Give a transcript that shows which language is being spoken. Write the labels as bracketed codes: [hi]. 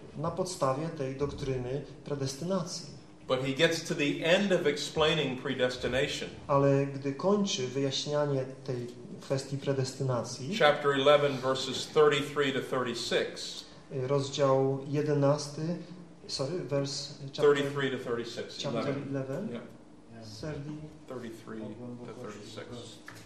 [pl] Na podstawie tej doktryny predestynacji. [en] But he gets to the end of explaining predestination. [pl] Ale gdy kończy wyjaśnianie tej kwestii predestynacji. [en] Chapter 11 verses 33 to 36. [pl] Rozdział 11, [en] sorry, verse chapter 33 to 36. Chapter 11. Yeah. 33 to 36.